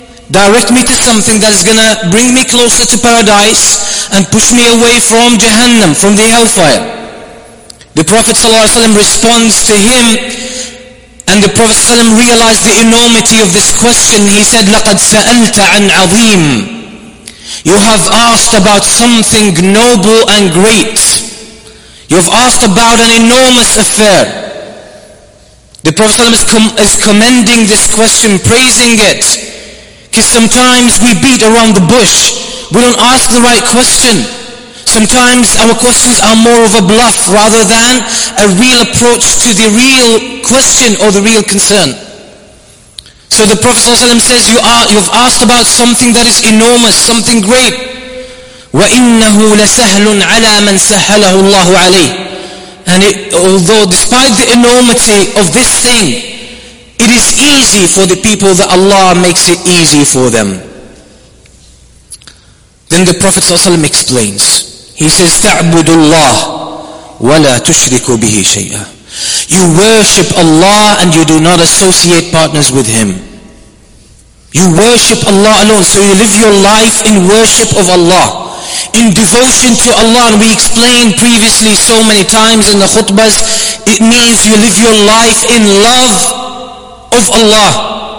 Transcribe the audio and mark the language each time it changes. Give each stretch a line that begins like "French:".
English: Direct me to something that is gonna bring me closer to paradise and push me away from Jahannam, from the hellfire. The Prophet ﷺ responds to him, and the Prophet ﷺ realized the enormity of this question. He said,
Arabic: لَقَدْ سَأَلْتَ عَنْ عَظِيمٍ.
English: You have asked about something noble and great. You have asked about an enormous affair. The Prophet ﷺ is commending this question, praising it. Because sometimes we beat around the bush. We don't ask the right question. Sometimes our questions are more of a bluff rather than a real approach to the real question or the real concern. So the Prophet ﷺ says, you've asked about something that is enormous, something great.
Arabic: وَإِنَّهُ لَسَهْلٌ عَلَى مَنْ سَهَّلَهُ اللَّهُ عَلَيْهِ.
English: And it, although despite the enormity of this thing, it is easy for the people that Allah makes it easy for them. Then the Prophet ﷺ explains. He says,
Arabic: تَعْبُدُ اللَّهُ وَلَا تُشْرِكُ بِهِ شَيْئًا.
English: You worship Allah and you do not associate partners with Him. You worship Allah alone. So you live your life in worship of Allah, in devotion to Allah. And we explained previously so many times in the khutbas, it means you live your life in love of Allah.